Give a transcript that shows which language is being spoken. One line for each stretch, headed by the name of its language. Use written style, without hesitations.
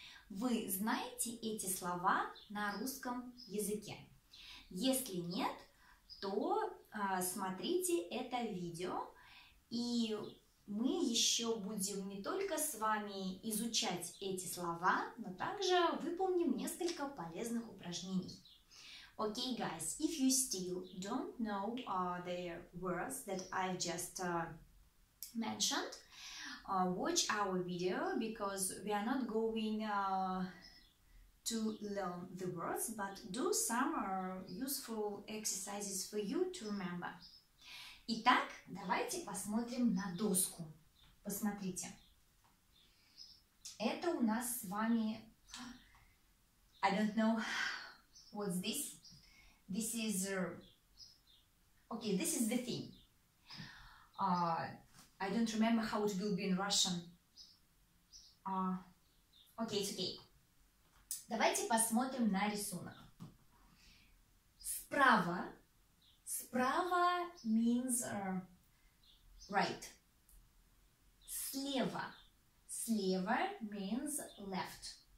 Russian: Вы знаете эти слова на русском языке? Если нет, то смотрите это видео, и мы еще будем не только с вами изучать эти слова, но также выполним несколько полезных упражнений.
English: Okay, guys, if you still don't know the words that I just mentioned, watch our video, because we are not going to learn the words, but do some useful exercises for you to remember.
Russian: Итак, давайте посмотрим на доску. Посмотрите. Это у нас с вами...
English: I don't know what's this. This is, okay, this is the thing. I don't remember how it will be in Russian. Okay, it's okay.
Russian: Давайте посмотрим на рисунок. Справа. Справа
English: means right.
Russian: Слева.
English: Слева means left.